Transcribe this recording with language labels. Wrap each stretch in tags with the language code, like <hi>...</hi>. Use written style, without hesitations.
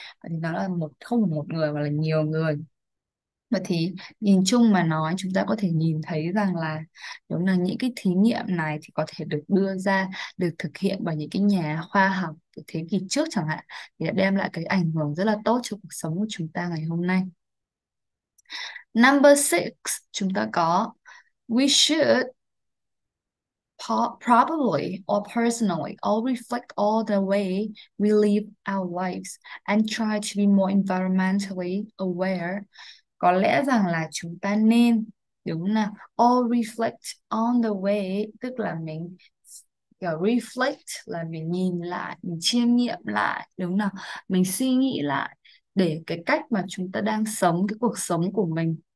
<vi>Thì nó là một, không phải một người mà là nhiều người. Và thì nhìn chung mà nói, chúng ta có thể nhìn thấy rằng là đúng là những cái thí nghiệm này thì có thể được đưa ra, được thực hiện bởi những cái nhà khoa học từ thế kỷ trước chẳng hạn, thì đã đem lại cái ảnh hưởng rất là tốt cho cuộc sống của chúng ta ngày hôm nay.</vi> <en>Number 6,</en> <vi>chúng ta có</vi> <en>we should probably or personally all reflect all the way we live our lives and try to be more environmentally aware.</en> <vi>Có lẽ rằng là chúng ta nên, đúng nào,</vi> <en>all reflect on the way,</en> <vi>tức là mình kiểu reflect là mình nhìn lại, mình chiêm nghiệm lại, đúng nào, mình suy nghĩ lại để cái cách mà chúng ta đang sống cái cuộc sống của mình.</vi>